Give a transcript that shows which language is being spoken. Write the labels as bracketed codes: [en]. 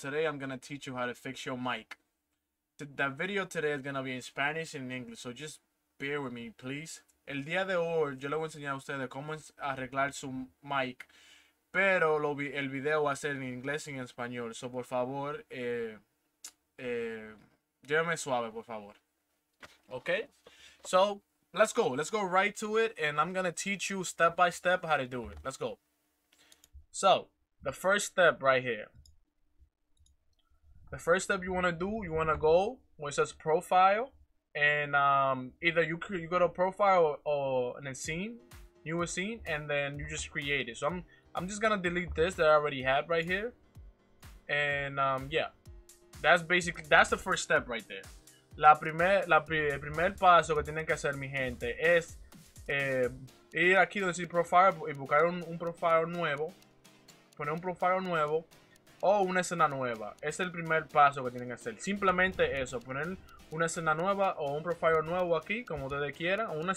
[en] Today I'm gonna teach you how to fix your mic. That video today is gonna be in Spanish and English, so just bear with me, please. [es] El día de hoy yo le voy a enseñar a ustedes cómo arreglar su mic, pero el video va a ser en inglés y en español. So por favor, lléveme suave, por favor. Okay? [en] So let's go. Let's go right to it, and I'm gonna teach you step by step how to do it. Let's go. So the first step right here. The first step you want to do, you want to go where it says profile. And either you go to profile or in a scene, newer scene, and then you just create it. So I'm just going to delete this that I already have right here. And yeah, that's the first step right there. [es] El primer paso que tienen que hacer, mi gente, es ir aquí donde dice profile y buscar un profile nuevo. Poner un profile nuevo o una escena nueva. Es el primer paso que tienen que hacer. Simplemente eso. Poner una escena nueva o un profile nuevo aquí, como ustedes quieran.